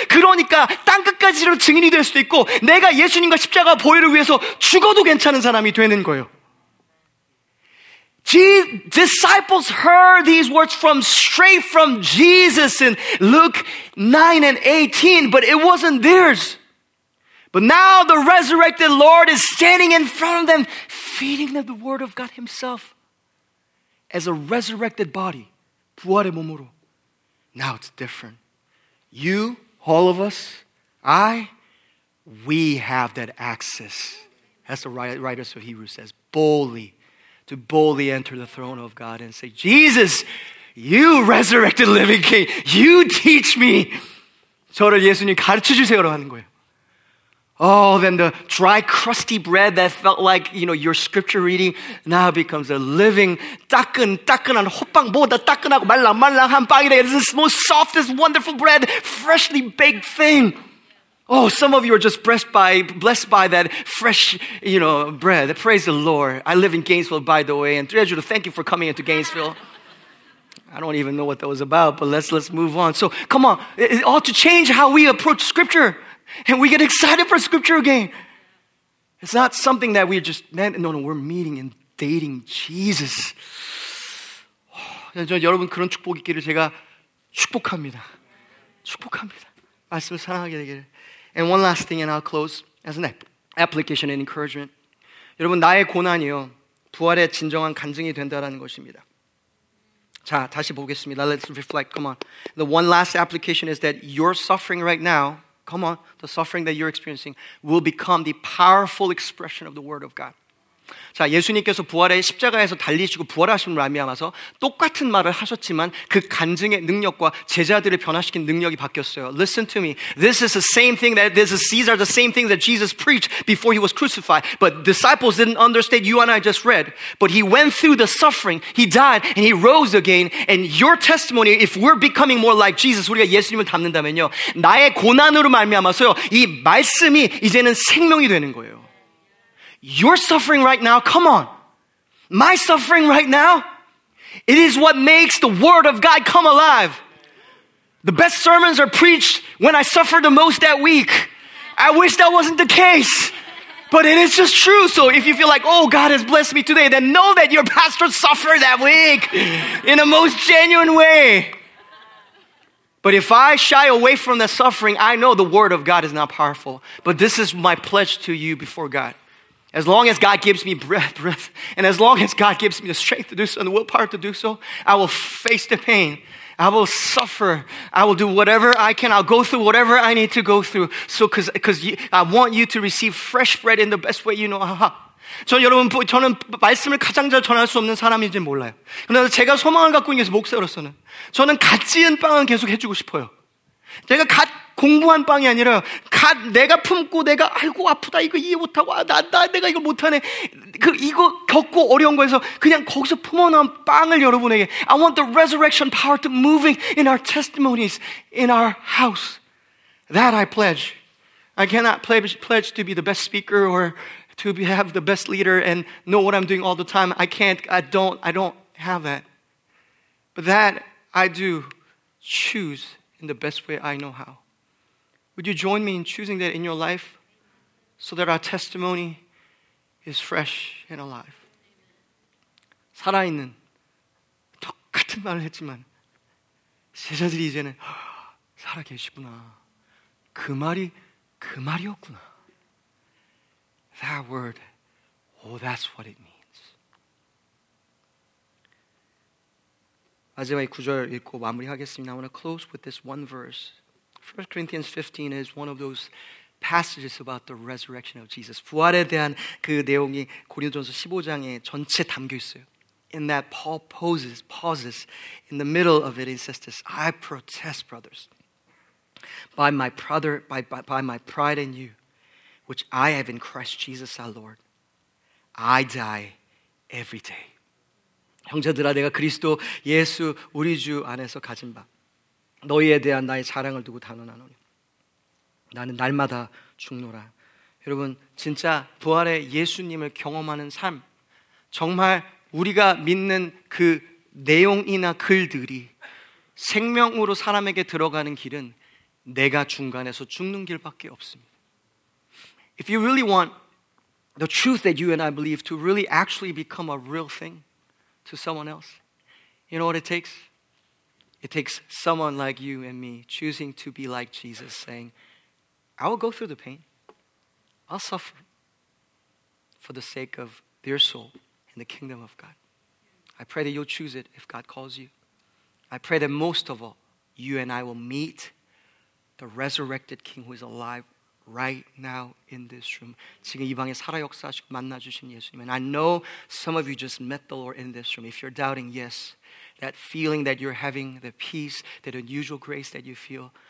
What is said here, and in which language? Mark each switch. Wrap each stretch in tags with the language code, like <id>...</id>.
<ko>그러니까 땅끝까지로 증인이 될 수도 있고 내가 예수님과 십자가 보혈을 위해서 죽어도 괜찮은 사람이 되는 거예요.</ko> <en>Disciples heard these words from straight from Jesus in Luke 9 and 18, but it wasn't theirs. But now the resurrected Lord is standing in front of them, feeding them the word of God himself. As a resurrected body,</en> <ko>부활의 몸으로.</ko> <en>Now it's different. You, all of us, I, we have that access. As the writers of Hebrews says, boldly. To boldly enter the throne of God and say, Jesus, you resurrected living king, you teach me.</en> <ko>저를 예수님 가르쳐 주세요라고 하는 거예요.</ko> <en>Oh, then the dry, crusty bread that felt like, you know, your scripture reading now becomes a living,</en> <ko>따끈따끈한 호빵, 뭐 다 따끈하고 말랑말랑한 빵이래.</ko> <en>This is the most softest, wonderful bread, freshly baked thing. Oh, some of you are just blessed by that fresh, you know, bread. Praise the Lord. I live in Gainesville, by the way. And Treasure, thank you for coming into Gainesville. I don't even know what that was about, but let's move on. So, come on. It ought to change how we approach Scripture. And we get excited for Scripture again. It's not something that we're just, man, no, we're meeting and dating Jesus.</en> <ko>여러분, 그런 축복 있기를 제가 축복합니다. 축복합니다. 말씀을 사랑하게 되기를.</ko> <en>And one last thing, and I'll close as an application and encouragement.</en> <ko>여러분, 나의 고난이요, 부활의 진정한 간증이 된다라는 것입니다. 자, 다시 보겠습니다.</ko> <en>Let's reflect, come on. The one last application is that your suffering right now, come on, the suffering that you're experiencing will become the powerful expression of the word of God.</en> <ko>자, 예수님께서 부활의 십자가에서 달리시고 부활하심을 암미하면서 똑같은 말을 하셨지만 그 간증의 능력과 제자들을 변화시킨 능력이 바뀌었어요.</ko> <en>Listen to me. This is the same thing that these are the same things that Jesus preached before he was crucified. But disciples didn't understand you and I just read. But he went through the suffering. He died and he rose again. And your testimony, if we're becoming more like Jesus,</en> <ko>우리가 예수님을 닮는다면요, 나의 고난으로 말미암아서요, 이 말씀이 이제는 생명이 되는 거예요.</ko> <en>Your suffering right now, come on. My suffering right now, it is what makes the word of God come alive. The best sermons are preached when I suffer the most that week. I wish that wasn't the case, but it is just true. So if you feel like, oh, God has blessed me today, then know that your pastor suffered that week in a most genuine way. But if I shy away from the suffering, I know the word of God is not powerful. But this is my pledge to you before God. As long as God gives me breath, and as long as God gives me the strength to do so and the willpower to do so, I will face the pain. I will suffer. I will do whatever I can. I'll go through whatever I need to go through. So, because I want you to receive fresh bread in the best way you know how.</en> <ko>전 여러분, 저는 말씀을 가장 잘 전할 수 없는 사람인지 몰라요. 그런데 제가 소망을 갖고 있는 게 목사로서는 저는 갓 지은 빵은 계속 해주고 싶어요. 제가 갓 공부한 빵이 아니라 갓 내가 품고 내가 아이고 아프다 이거 이해 못하고 내가 이거 못하네 그 이거 겪고 어려운 거에서 그냥 거기서 품어놓은 빵을 여러분에게</ko> <en>I want the resurrection power to moving in our testimonies in our house. That I pledge. I cannot pledge to be the best speaker or to have the best leader and know what I'm doing all the time. I can't, I don't have that. But that I do choose in the best way I know how. Would you join me in choosing that in your life so that our testimony is fresh and alive?</en> <ko>살아있는, 똑같은 말을 했지만 제자들이 이제는 살아계시구나. 그 말이었구나.</ko> <en>That word, oh, that's what it means.</en> <ko>마지막 구절 읽고 마무리하겠습니다.</ko> <en>I want to close with this one verse. 1 Corinthians 15 is one of those passages about the resurrection of Jesus.</en> <ko>부활에 대한 그 내용이 고린도전서 15장에 전체 담겨 있어요.</ko> <en>In that Paul pauses in the middle of it, he says this, I protest, brothers, by my pride in you, which I have in Christ Jesus our Lord, I die every day.</en> <ko>형제들아, 내가 그리스도 예수 우리 주 안에서 가진 바 너희에 대한 나의 자랑을 두고 단언하노니 나는 날마다 죽노라. 여러분, 진짜 부활의 예수님을 경험하는 삶, 정말 우리가 믿는 그 내용이나 글들이 생명으로 사람에게 들어가는 길은 내가 중간에서 죽는 길밖에 없습니다.</ko> <en>If you really want the truth that you and I believe to really actually become a real thing to someone else, you know what it takes? It takes someone like you and me choosing to be like Jesus, saying, I will go through the pain. I'll suffer for the sake of their soul and the kingdom of God. I pray that you'll choose it if God calls you. I pray that most of all, you and I will meet the resurrected King who is alive right now in this room.</en> <ko>지금 이 방에 살아 역사하시고 만나주신 예수님.</ko> <en>And I know some of you just met the Lord in this room. If you're doubting, yes. That feeling that you're having, the peace, that unusual grace that you feel.</en>